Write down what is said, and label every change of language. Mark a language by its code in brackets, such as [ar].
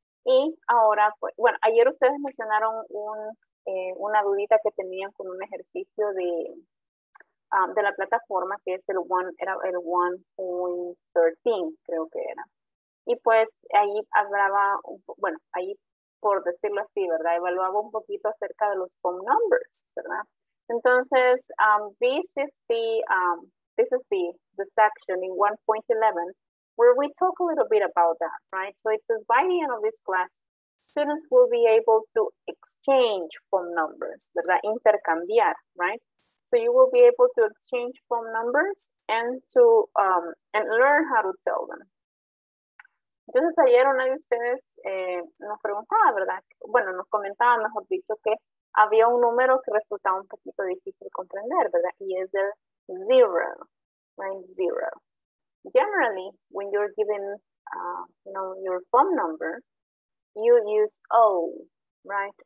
[es] Y ahora, pues, bueno, ayer ustedes mencionaron una dudita que tenían con un ejercicio de la plataforma, que es era el 1.13, creo que era. Y pues ahí hablaba, bueno, ahí por decirlo así, ¿verdad? Evaluaba un poquito acerca de los phone numbers, ¿verdad? [en] Entonces, this is the section in 1.11 where we talk a little bit about that, right? So it says by the end of this class, students will be able to exchange phone numbers, ¿verdad? Intercambiar, right? So you will be able to exchange phone numbers and to and learn how to tell them. [es] Entonces ayer una de ustedes nos preguntaba, ¿verdad? Bueno, nos comentaba, mejor dicho, que había un número que resultaba un poquito difícil comprender, ¿verdad? Y es el 0. Right, 0. [en] Generally, when you're given your phone number, you use O, right?